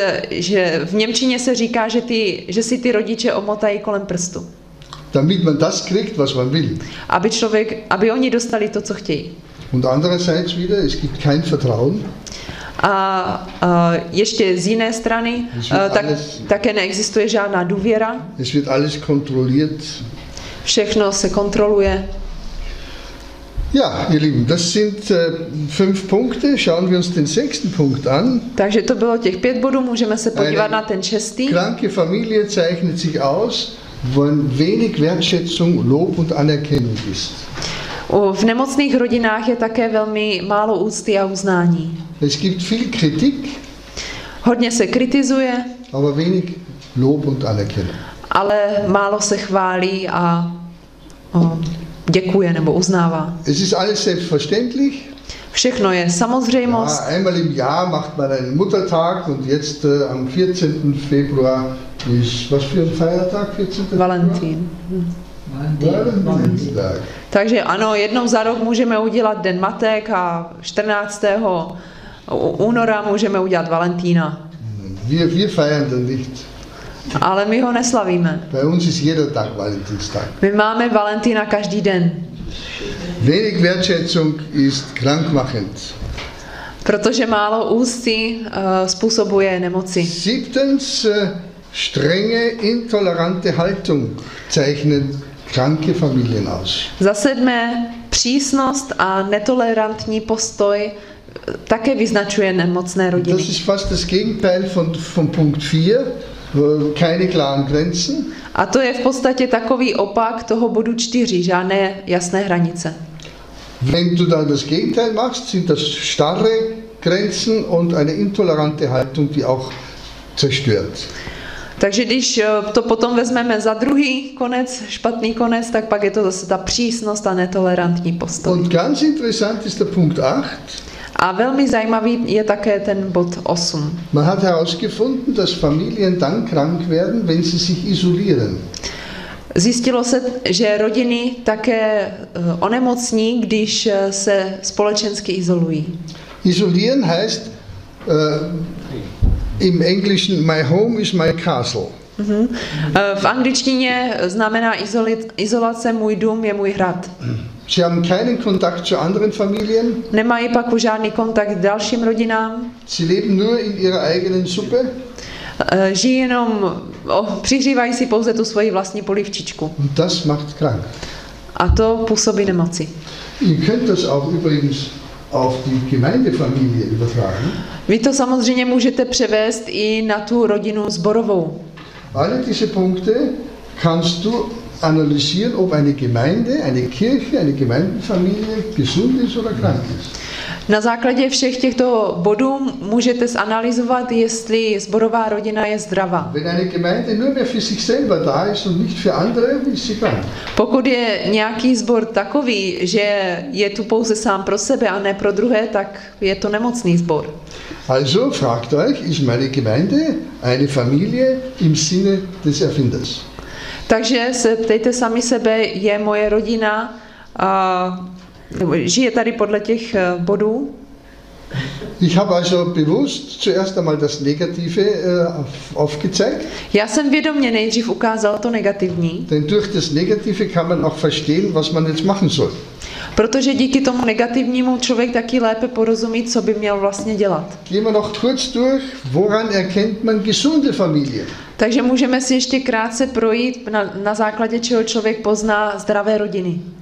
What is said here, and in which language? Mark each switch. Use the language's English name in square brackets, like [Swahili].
[Czech] Že v němčině se říká, že si ty rodiče omotají kolem prstu. [German] Damit man das kriegt, was man will. [Czech] Aby oni dostali to, co chtějí. [German] Und andererseits wieder, es gibt kein Vertrauen. [Czech] A ještě z jiné strany, také neexistuje žádná důvěra. [German] Es wird alles kontrolliert. [Czech] Všechno se kontroluje. [German] Ja, ihr Lieben, das sind fünf Punkte. Schauen wir uns den sechsten Punkt an. [Czech] Takže to bylo těch pět bodů, můžeme se podívat na ten šestý. [German] Kranke Familie zeichnet sich aus, wenn wenig Wertschätzung, Lob und Anerkennung ist. [Czech] V nemocných rodinách je také velmi málo úcty a uznání. [German] Es gibt viel Kritik. [Czech] Hodně se kritizuje. [German] Aber wenig Lob und Anerkennung. [Czech] Ale málo se chválí a děkuje nebo uznává. [German] Es ist alles selbstverständlich. [Czech] Všechno je samozřejmost. [German] Ja, einmal im Jahr macht man einen Muttertag und jetzt am 14. Februar ist was für ein Feiertag? 14. Valentín. Valentínstag. [Czech] Takže ano, jednou za rok můžeme udělat Den matek a 14. února můžeme udělat Valentína. [German] Wir feiern den nicht. [Czech] Ale my ho neslavíme. [German] Bei uns ist jeder Tag Valentínstag. [Czech] My máme Valentína každý den. [German] Wenig Wertschätzung ist krankmachend. [Czech] Protože málo ústy způsobuje nemoci. [German] Siebtens, strenge, intolerante Haltung zeichnen kranke Familien aus. [Czech] Za sedmé, přísnost a netolerantní postoj také vyznačuje nemocné rodiny. [German] Das ist fast das Gegenteil von Punkt 4. Keine klaren Grenzen. [Czech] A to je v podstatě takový opak toho bodu 4, žádné jasné hranice. [German] Wenn du dann das Gegenteil machst, sind das starre, Grenzen und eine intolerante Haltung, die auch zerstört. [Czech] Takže když to potom vezmeme za druhý konec, špatný konec, tak pak je to zase ta přísnost a netolerantní postoj. [German] Und ganz interessant ist der Punkt 8. [Czech] A velmi zajímavý je také ten bod 8. [German] Man hat herausgefunden, dass Familien dann krank werden, wenn sie sich isolieren. [Czech] Zjistilo se, že rodiny také onemocní, když se společensky izolují. [German] Isolieren heißt im Englischen [English] my home is my castle. Mm-hmm. [Czech] V angličtině znamená izolace můj dům je můj hrad. [German] Sie haben keinen Kontakt zu anderen Familien. [Czech] Nemají pak už žádný kontakt s dalším rodinám. [German] Sie leben nur in ihrer eigenen Suppe. [Czech] Žijí jenom, přihřívají si pouze tu svoji vlastní polivčičku. [German] Und das macht krank. [Czech] A to působí nemoci. [German] Ihr könnt das auch übrigens auf die Gemeindefamilie übertragen. [Czech] Vy to samozřejmě můžete převést i na tu rodinu sborovou. [German] Alle diese Punkte kannst du analysieren, ob eine Gemeinde, eine Kirche, eine Gemeindefamilie gesund ist oder krank ist. [Czech] Na základě všech těchto bodů můžete zanalyzovat, jestli sborová rodina je zdravá. [German] Wenn eine Gemeinde nur mehr für sich selber da ist und nicht für andere, ist sie krank. [Czech] Pokud je nějaký sbor takový, že je tu pouze sám pro sebe a ne pro druhé, tak je to nemocný sbor. [German] Also fragt euch, ist meine Gemeinde eine Familie im Sinne des Erfinders? [Czech] Takže se ptejte sami sebe, je moje rodina a žije tady podle těch bodů? [German] Ich habe also bewusst zuerst einmal das Negative aufgezeigt. [Czech] Já jsem vědomě nejdřív ukázal to negativní. [German] Denn durch das Negative kann man auch verstehen, was man jetzt machen soll. [Czech] Protože díky tomu negativnímu člověk taky lépe porozumí, co by měl vlastně dělat. [German] Gehen wir noch kurz durch, woran erkennt man gesunde Familie? [Czech] Takže můžeme si ještě krátce projít na základě čeho člověk pozná zdravé rodiny.